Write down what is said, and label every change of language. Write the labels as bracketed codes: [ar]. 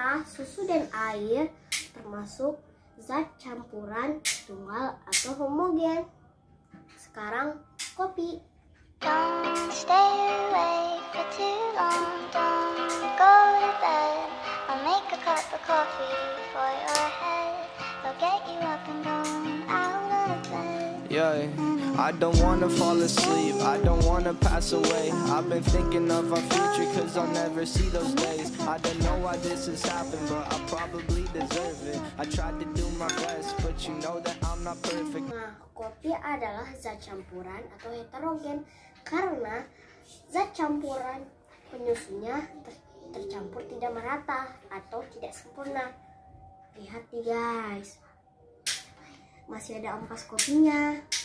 [id] Susu dan air termasuk zat campuran tunggal atau homogen. Sekarang kopi. [en] Don't stay awake for too long. Don't go to bed. I'll make a cup of coffee for your head. I'll get you up and going out of bed. Yeah. I don't wanna fall asleep, I don't wanna pass away. I've been thinking of our future, cause I'll never see those days. I don't know why this has happened, but I probably deserve it. I tried to do my best, but you know that I'm not perfect. [id] Nah, kopi adalah zat campuran atau heterogen, karena zat campuran penyusunnya tercampur tidak merata atau tidak sempurna. Lihat nih guys, masih ada ampas kopinya.